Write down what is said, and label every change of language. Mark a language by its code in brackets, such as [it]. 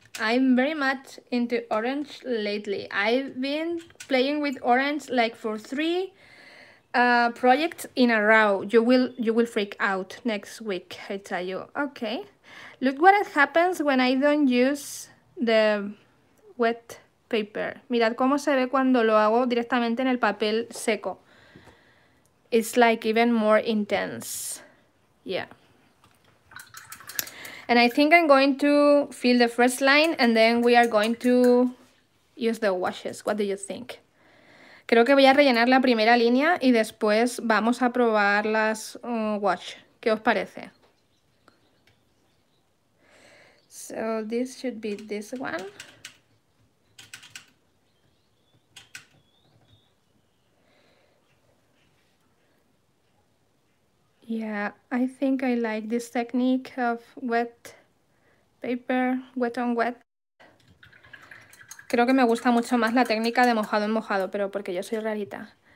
[en] I'm very much into orange lately. I've been playing with orange like for 3 projects in a row. You will freak out next week, I tell you. Okay, look what happens when I don't use the wet paper. [es] Mirad cómo se ve cuando lo hago directamente en el papel seco. [en] It's like even more intense. Yeah. And I think I'm going to fill the first line and then we are going to use the washes. What do you think? [es] Creo que voy a rellenar la primera línea y después vamos a probar las wash. ¿Qué os parece? [en] So this should be this one. Yeah, I think I like this technique of wet paper, wet on wet. [es] Creo que me gusta mucho más la técnica de mojado en mojado, pero porque yo soy rarita.